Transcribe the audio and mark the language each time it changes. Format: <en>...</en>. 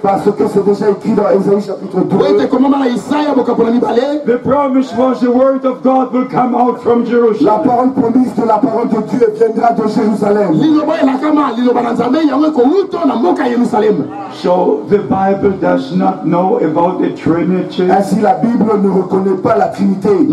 <fr>parce que c'est déjà écrit dans Ésaïe chapitre 2.</fr> <en>The promise was the word of God will come out from Jerusalem.</en> <fr>La parole promise de la parole de Dieu viendra de Jérusalem.</fr> <en>So the Bible does not know about the Trinity.</en> <fr>Ainsi la Bible ne reconnaît pas la Trinité.</fr>